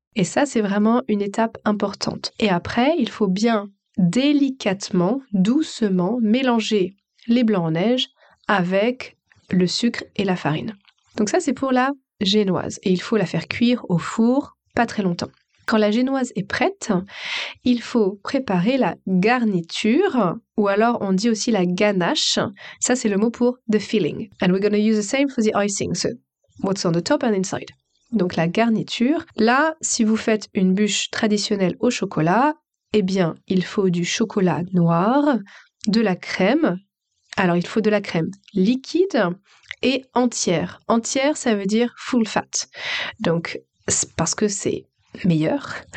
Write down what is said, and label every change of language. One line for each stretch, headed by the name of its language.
French: Et ça, c'est vraiment une étape importante. Et après, il faut bien délicatement, doucement mélanger les blancs en neige avec le sucre et la farine. Donc ça, c'est pour la génoise et il faut la faire cuire au four pas très longtemps. Quand la génoise est prête, il faut préparer la garniture, ou alors on dit aussi la ganache. Ça, c'est le mot pour
English: the filling. And we're gonna use the same for the icing, so what's on the top and inside.
French: Donc la garniture. Là, si vous faites une bûche traditionnelle au chocolat, eh bien, il faut du chocolat noir, de la crème. Alors, il faut de la crème liquide et entière. Entière, ça veut dire
English: full fat.
French: Donc, parce que c'est meilleur.